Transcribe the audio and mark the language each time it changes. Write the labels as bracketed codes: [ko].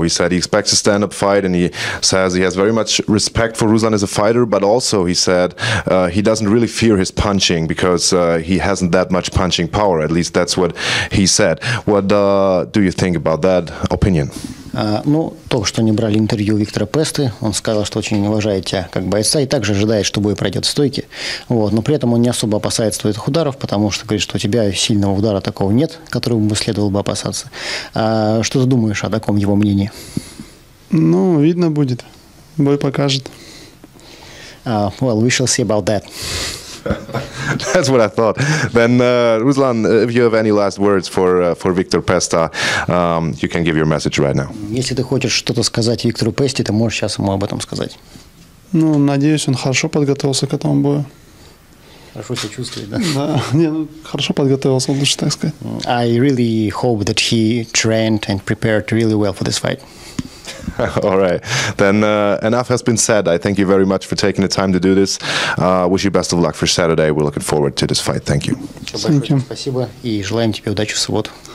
[en] He said he expects a stand-up fight, and he says he has very much respect for Ruslan as a fighter, but also he said he doesn't really fear his punching because he hasn't that much punching power. At least that's what he said. What do you think about that opinion? [ru] Ну, то, что не брали интервью Виктора Песты, он сказал, что очень уважает тебя как бойца и также ожидает, что бой пройдет в стойке. Вот. Но при этом он не особо опасается твоих ударов, потому что говорит, что у тебя сильного удара такого нет, которого бы следовало бы опасаться. Что ты думаешь о таком его мнении? Ну, видно будет. Бой покажет. [en] Well, we shall see about that. That's what I thought. Then, Ruslan, if you have any last words for Viktor Pesta, you can give your message right now. [ru] Если ты хочешь что-то сказать Виктору Песте, ты можешь сейчас ему об этом сказать. Ну, надеюсь, он хорошо подготовился к этому бою. Хорошо себя чувствует, да? Да, не, ну, хорошо подготовился, лучше так сказать. [en] I really hope that he trained and prepared really well for this fight. All right, then enough has been said. I thank you very much for taking the time to do this. Wish you best of luck for Saturday. We're looking forward to this fight. Thank you. Thank you. [ru] Спасибо и желаем тебе удачи в субботу.